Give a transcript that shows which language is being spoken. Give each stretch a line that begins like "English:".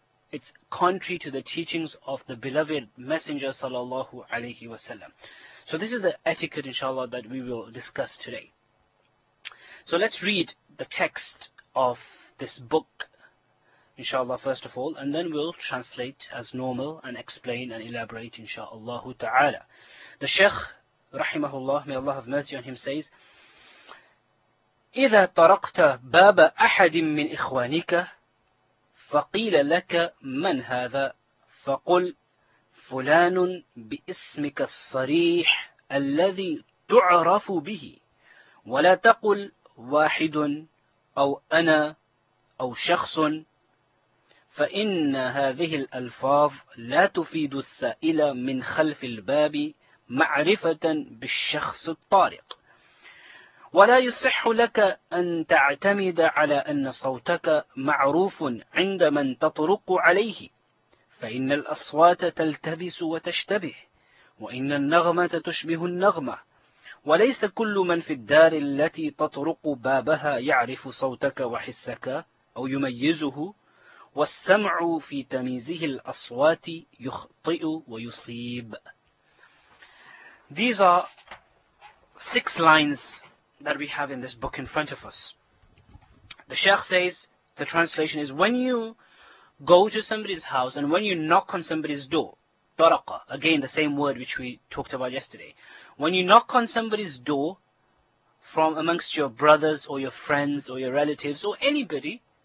English: It's contrary to the teachings of the beloved Messenger, sallallahu alayhi wa sallam. So this is the etiquette, inshallah, that we will discuss today. So let's read the text of this book, inshallah, first of all, and then we'll translate as normal and explain and elaborate, inshallah ta'ala. The Shaykh, rahimahullah, may Allah have mercy on him, says,
Arabic: إِذَا طَرَقْتَ بَابَ أَحَدٍ مِّنْ إِخْوَانِكَ فَقِيلَ لَكَ مَنْ هَذَا فَقُلْ فلان باسمك الصريح الذي تعرف به، ولا تقل واحد أو أنا أو شخص، فإن هذه الألفاظ لا تفيد السائل من خلف الباب معرفة بالشخص الطارق، ولا يصح لك أن تعتمد على أن صوتك معروف عند من تطرق عليه، فإن الأصوات تلتبس وتشتبه، وإن النغمة تشبه النغمة، وليس كل من في الدار التي تطرق بابها يعرف صوتك وحسك أو يميزه، والسمع في تمييزه الأصوات يخطئ ويصيب.
English: These are six lines that we have in this book in front of us. The Sheikh says, the translation is, when you go to somebody's house, and when you knock on somebody's door, taraqa, again the same word which we talked about yesterday, when you knock on somebody's door from amongst your brothers or your friends or your relatives or anybody,